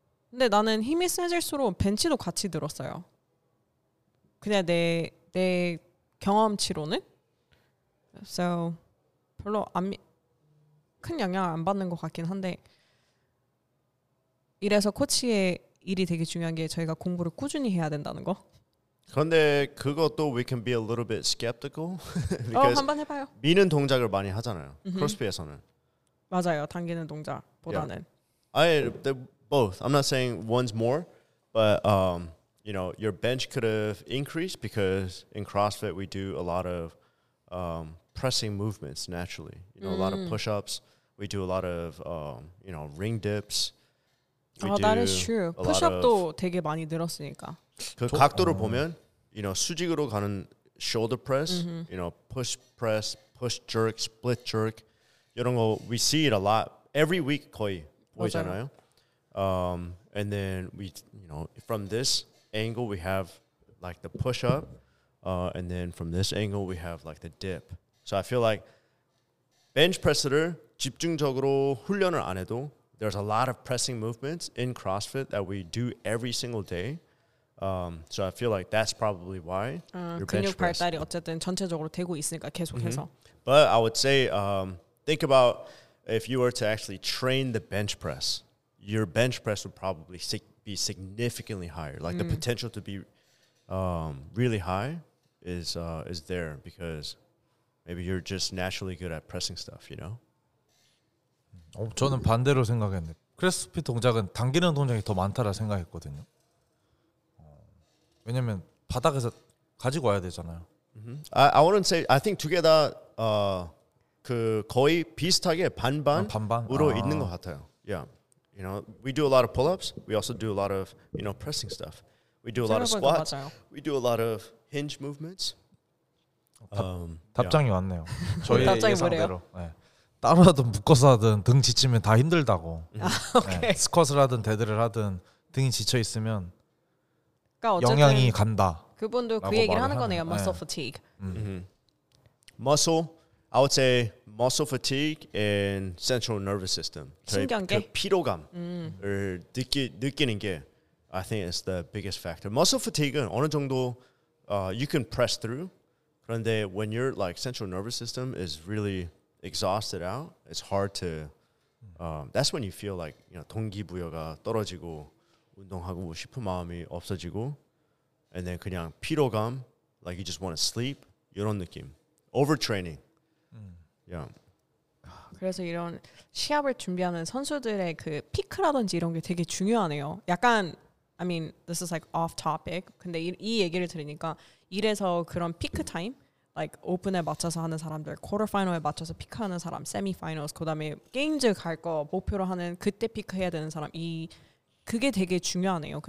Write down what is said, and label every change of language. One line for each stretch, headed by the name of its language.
Korean: 근데 나는 힘이 세질수록 벤치도 같이 늘었어요. 그냥 내 경험치로는 so 별로 큰 영향을 안 받는 것 같긴 한데 이래서 코치의 일이 되게 중요한 게 저희가 공부를 꾸준히 해야 된다는 거. 그런데 그것도
English: we can be a little bit skeptical.
Korean: 한번 해봐요. 미는 동작을 많이 하잖아요. 크로스핏에서는. 맞아요. 당기는 동작보다는.
English: Yeah. Both. I'm not saying one's more, but you know, your bench could have increased because in CrossFit we do a lot of pressing movements naturally. You know, a lot of push-ups. We do a lot of you know, ring dips. That is true.
Korean: Push-up도 되게 많이 늘었으니까. 그 각도를 보면,
English: you know,
Korean: 수직으로 가는
English: shoulder press, you know, push press, push jerk, split jerk.
Korean: 이런 거
English: we see it a lot every week
Korean: 거의 보이잖아요.
English: And then we, you know, from this angle we have like the push up, and then from this angle we have like the dip. So I feel like bench press를
Korean: 집중적으로 훈련을 안 해도
English: there's a lot of pressing movements in CrossFit that we do every single day. So I feel like that's probably why.
Korean: 근육 발달이 어쨌든 전체적으로 되고 있으니까 계속해서.
English: But I would say think about if you were to actually train the bench press. Your bench press would probably be significantly higher. Like the potential to be really high is there because maybe you're just naturally good at pressing stuff, you know?
Korean: 저는 반대로 생각했는데 크로스핏 동작은 당기는 동작이 더 많다라 생각했거든요. 왜냐면 바닥에서 가지고 와야 되잖아요.
English: I wouldn't say I think together
Korean: 그 거의 비슷하게 반반으로 있는 것 같아요. Yeah.
English: You know, we do a lot of pull-ups. We also do a lot of, you know, pressing stuff. We do a lot of squats. We do a lot of hinge movements.
Korean: 답장이 왔네요. 저희 예상대로. 네. 따로 하든 묶어서 하든 등 지치면 다 힘들다고. 오케이. 네. 스쿼트를 하든 데드를 하든 등이 지쳐 있으면 그러니까 영향이 간다. 그분도 그 얘기를 하는 거네요.
English: Muscle fatigue. Muscle. I would say muscle fatigue and central nervous system.
Korean: 신경계? 그 피로감을 느끼는 게
English: I think is the biggest factor. Muscle fatigue은
Korean: 어느 정도
English: you can press through. 그런데 when your like central nervous system is really exhausted out, it's hard to that's when you feel like you know
Korean: 동기부여가 떨어지고 운동하고 싶은 마음이 없어지고
English: and then
Korean: 그냥 피로감
English: like you just want to sleep
Korean: 이런 느낌
English: overtraining. Yeah.
Korean: 그래서 이런 시합을 준비하는 선수들의 그 피크라든지 이런 게 되게 중요하네요.
English: 약간 I mean this is like off topic.
Korean: 근데 이 얘기를 들으니까 이래서 그런 피크 타임 like 오픈에 맞춰서 하는 사람들, 쿼터 파이널에 맞춰서 피크하는 사람, 세미 파이널스 그다음에 게임즈 갈 거 목표로 하는 그때 피크해야 되는 사람 이 그게 되게 중요하네요.